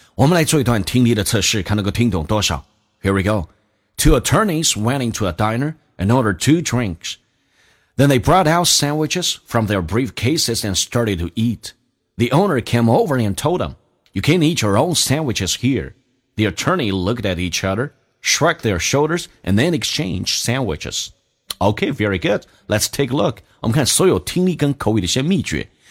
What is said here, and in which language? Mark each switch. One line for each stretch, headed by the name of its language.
Chinese: 我们来做一段听力的测试，看能够听懂多少。
English: Here we go. Two attorneys went into a diner and ordered two drinks. Then they brought out sandwiches from their briefcases and started to eat. The owner came over and told them, "You can eat your own sandwiches here." The attorney looked at each other, shrugged their shoulders, and then exchanged sandwiches. Okay, very good. Let's take a look.
Chinese: 我们看所有听力跟口语的一些秘诀。